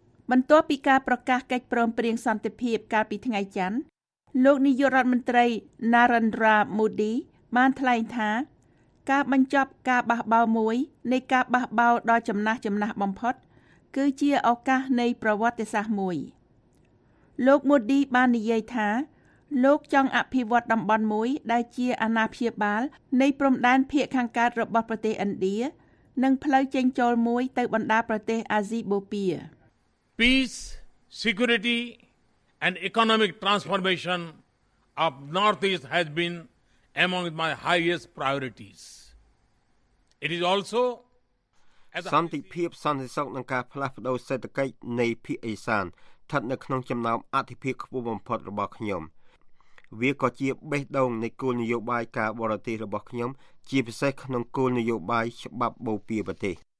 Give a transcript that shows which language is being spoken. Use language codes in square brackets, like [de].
[km] បន្ទាប់ពីការប្រកាសកិច្ចព្រមព្រៀងសន្តិភាពកាលពីថ្ងៃច័ន្ទលោកនាយករដ្ឋមន្ត្រី Narendra Modi បានថ្លែងថាការបញ្ចប់ការបះបោរមួយនៃការបះបោរដ៏ចំណាស់បំផុតគឺជាឱកាសនៃប្រវត្តិសាស្ត្រមួយ លោក Modi បាននិយាយថាលោកចង់អភិវឌ្ឍតំបន់មួយដែលជាអាណាព្យាបាលនៃព្រំដែនភាគខាងកើតរបស់ប្រទេសឥណ្ឌានិងផ្លូវចេញចូលមួយទៅបណ្ដាប្រទេសអាស៊ីបូព៌ា [en] Peace, security and economic transformation of Northeast has been among my highest priorities. It is also [km] សន្តិភាពសន្តិសុខនិងការផ្លាស់ប្តូរសេដ្ឋកិច្ចនៃភាគអេសានស្ថិតនៅក្នុងចំណោមអធិភាពខ្ពស់បំផុតរបស់ខ្ញុំវាក៏ជាបេះដូងនៃគោលនយោបាយការបរទេសរបស់ខ្ញុំជាពិសេសក្នុងគោលនយោបាយច្បាប់បូព៌ាប្រទេស